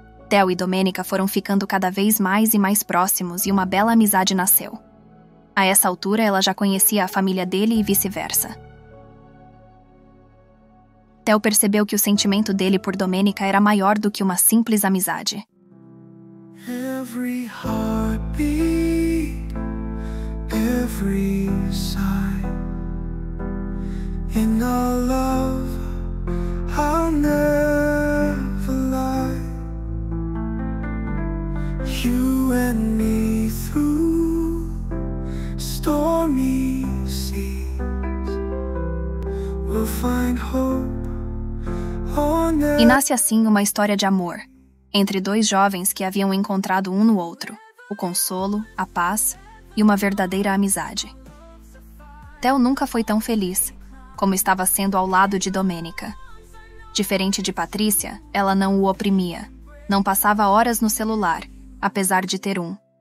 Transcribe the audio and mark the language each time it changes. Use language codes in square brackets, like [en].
[pt] Théo e Domênica foram ficando cada vez mais e mais próximos e uma bela amizade nasceu. A essa altura, ela já conhecia a família dele e vice-versa. Théo percebeu que o sentimento dele por Domênica era maior do que uma simples amizade. [en] Every heartbeat, every sigh, in our love, I'll never lie. You and me through stormy seas, we'll find hope on the... [pt] E nasce assim uma história de amor entre dois jovens que haviam encontrado um no outro o consolo, a paz e uma verdadeira amizade. Théo nunca foi tão feliz como estava sendo ao lado de Domênica. Diferente de Patrícia, ela não o oprimia, não passava horas no celular, apesar de ter um.